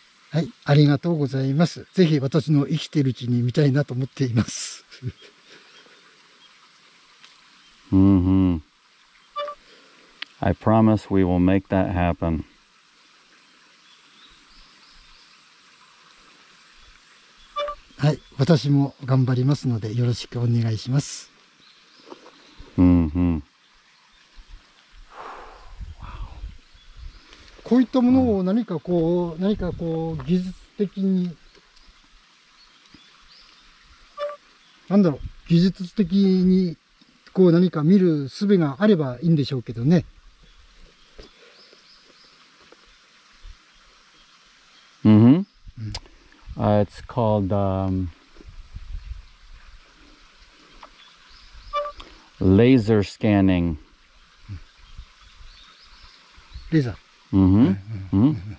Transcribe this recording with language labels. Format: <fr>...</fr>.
<ja>はい、ありがとうございます。ぜひ私の生きているうちに見たいなと思っています。</ja> <en>I promise we will make that happen.</en> <ja>はい、私も頑張りますのでよろしくお願いします。こういったものを何かこう、何かこう技術的に、なんだろう、技術的にこう何か見る術があればいいんでしょうけどね。</ja> <en>It's called laser scanning.</en> <ja>レーザー。</ja>